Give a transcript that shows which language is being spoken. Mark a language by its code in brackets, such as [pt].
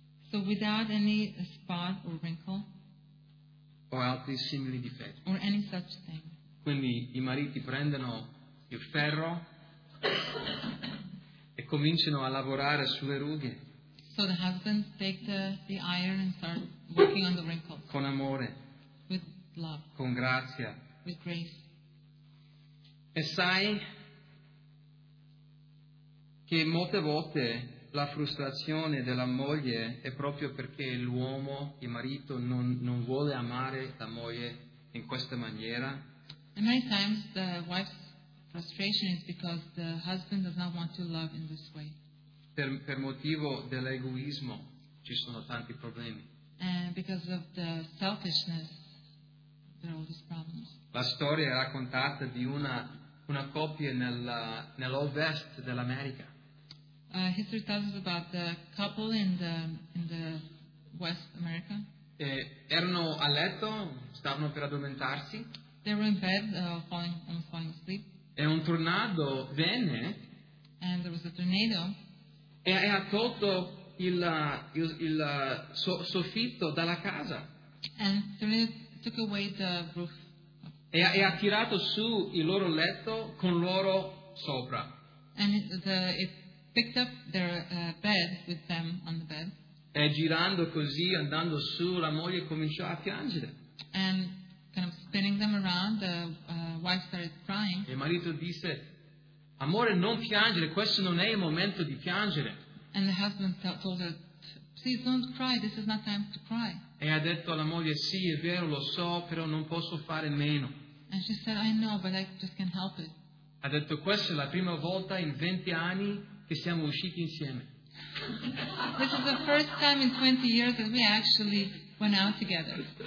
[en] So without any spot or wrinkle. [it] O altri simili difetti. [en] Or any such thing. [it] Quindi I mariti prendono il ferro e cominciano a lavorare sulle rughe. [en] So the husbands take the iron and start working on the wrinkles. [it] Con amore. [en] With love. [it] Con grazia. [en] With grace. [it] E sai che molte volte la frustrazione della moglie è proprio perché l'uomo, il marito, non vuole amare la moglie in questa maniera. [en] And many times the wife's frustration is because the husband does not want to love in this way. [it] Per motivo dell'egoismo ci sono tanti problemi. [en] And because of the selfishness, there are all these problems. [it] La storia è raccontata di una coppia nell'ovest dell'America. [en] History tells us about the couple in the West America. [it] Erano a letto, stavano per addormentarsi. [en] They were in bed, falling asleep. [it] E un tornado venne. [en] And there was a tornado. [it] E ha tolto il soffitto dalla casa. [en] And tornado took away the roof. [it] E ha tirato su il loro letto con loro sopra. [en] And it picked up their bed with them on the bed. [it] E girando così, andando su, la moglie cominciò a piangere. [en] And kind of spinning them around, the wife started crying. [it] E il marito disse, amore, non piangere, questo non è il momento di piangere. [en] And the husband told her, please don't cry, this is not time to cry. [it] E ha detto alla moglie, sì, è vero, lo so, però non posso fare meno. [en] And she said, I know, but I just can't help it. [it] Ha detto, questa è la prima volta in 20 anni che siamo usciti insieme. [en] This is the first time in 20 years that we actually went out together.